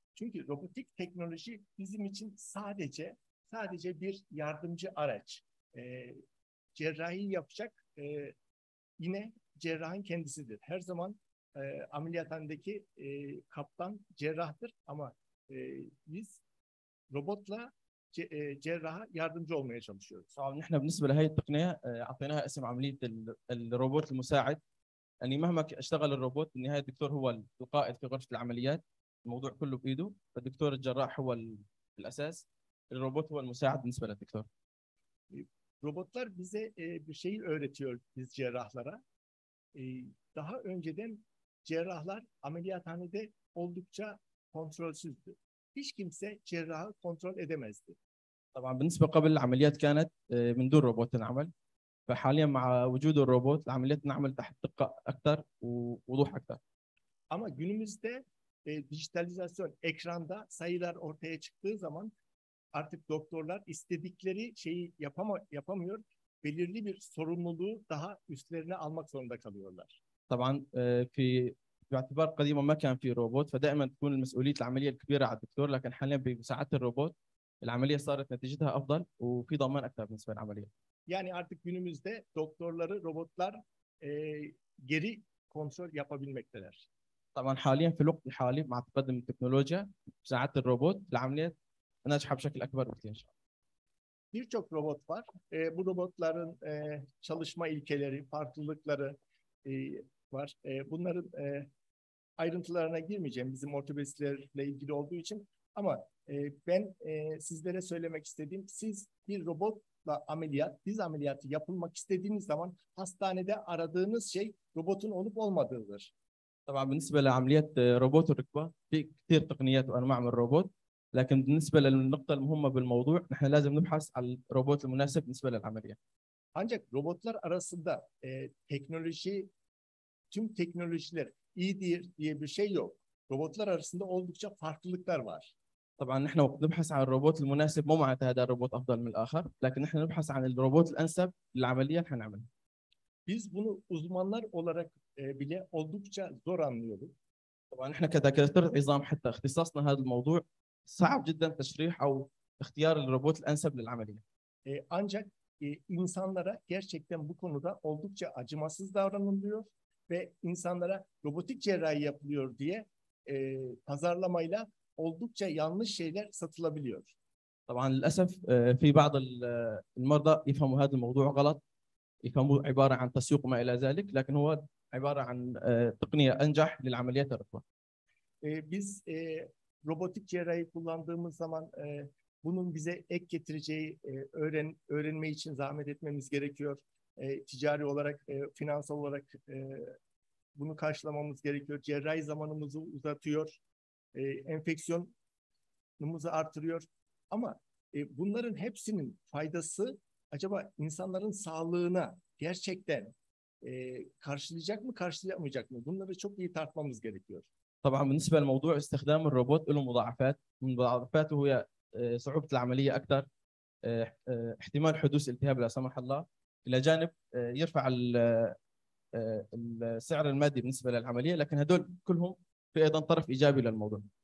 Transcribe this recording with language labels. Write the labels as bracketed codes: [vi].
[tr] Çünkü robotik teknoloji bizim için sadece bir yardımcı araç. Cerrahi yapacak yine cerrahın kendisidir. Her zaman ameliyathanedeki kaptan cerrahtır ama biz robotla cerraha yardımcı olmaya çalışıyoruz. [ar] Tamam, nihna بالنسبه لهي التقنيه اعطيناها اسم عمليه الروبوت المساعد. يعني مهما اشتغل الروبوت بالنهايه الدكتور هو القائد في غرفه العمليات، الموضوع كله بايده، فالدكتور الجراح هو الاساس، الروبوت هو المساعد بالنسبه للدكتور. [tr] Robotlar bize bir şeyi öğretiyor biz cerrahlara. Daha önceden cerrahlar ameliyathanede oldukça kontrolsüzdü. Hiç kimse cerrahı kontrol edemezdi. [ar] Tamam, بالنسبه قبل العمليات كانت من دون روبوت تنعمل. فحاليا مع وجود الروبوت العمليات تنعمل تحت دقه اكثر ووضوح اكثر. [tr] Ama günümüzde dijitalizasyon ekranda sayılar ortaya çıktığı zaman artık doktorlar istedikleri şeyi yapamıyor. Belirli bir sorumluluğu daha üstlerine almak zorunda kalıyorlar. [ar] Tabii باعتبار قديما ما كان في روبوت فدائما تكون المسؤوليه العمليه الكبيره على الدكتور، لكن حاليا بمساعده الروبوت العمليه صارت نتيجتها افضل وفي ضمان اكثر بالنسبه للعمليه. [tr] يعني artık günümüzde doktorları robotlar geri kontrol yapabilmekteler. [ar] طبعا حاليا في الوقت الحالي مع تقدم التكنولوجيا مساعده الروبوت العمليه ناجحه بشكل اكبر بكثير ان شاء الله. [tr] Birçok robot var. Bu robotların çalışma ilkeleri, farklılıkları var. Bunların ayrıntılarına girmeyeceğim bizim ortopedistlerle ilgili olduğu için. Ama ben sizlere söylemek istediğim, siz bir robotla ameliyat, diz ameliyatı yapılmak istediğiniz zaman hastanede aradığınız şey robotun olup olmadığıdır. [ar] Tabii بالنسبه لعمليات روبوت الركبه في كثير تقنيات وانواع من الروبوت، لكن بالنسبه للنقطه المهمه بالموضوع نحن لازم نبحث عن الروبوت المناسب بالنسبه للعمليه. [tr] Ancak robotlar arasında teknoloji tüm teknolojiler iyidir diye bir şey yok. Robotlar arasında oldukça farklılıklar var. [ar] Tabii نحن وقت نبحث عن الروبوت المناسب مو معناته هذا الروبوت افضل من الاخر، لكن نحن نبحث عن الروبوت الانسب للعمليه اللي حنعملها. [tr] Biz bunu uzmanlar olarak bile oldukça zor anlıyoruz. [ar] Tabii نحن كدكاترة عظام حتى اختصاصنا هذا الموضوع صعب جدا تشريح او اختيار الروبوت الانسب للعمليه. [tr] Ancak insanlara gerçekten bu konuda oldukça acımasız davranılıyor ve insanlara robotik cerrahi yapılıyor diye pazarlamayla oldukça yanlış şeyler satılabiliyor. [ar] Tabii للاسف في بعض المرضى يفهموا هذا الموضوع غلط، يفهموا عباره عن تسويق ما الى ذلك، لكن هو عباره عن تقنيه انجح للعمليات الركبه. [tr] Biz robotik cerrahi kullandığımız zaman bunun bize ek getireceği öğrenme için zahmet etmemiz gerekiyor. Ticari olarak, finansal olarak bunu karşılamamız gerekiyor. Cerrahi zamanımızı uzatıyor, enfeksiyonumuzu artırıyor. Ama bunların hepsinin faydası acaba insanların sağlığına gerçekten karşılayacak mı, karşılayamayacak mı? Bunları çok iyi tartmamız gerekiyor. [ar] طبعا بالنسبه لموضوع استخدام الروبوت له مضاعفات، من مضاعفاته هي صعوبه العمليه اكثر، احتمال حدوث التهاب لا سمح الله، الى جانب يرفع السعر المادي بالنسبه للعمليه، لكن هدول كلهم في ايضا طرف ايجابي للموضوع.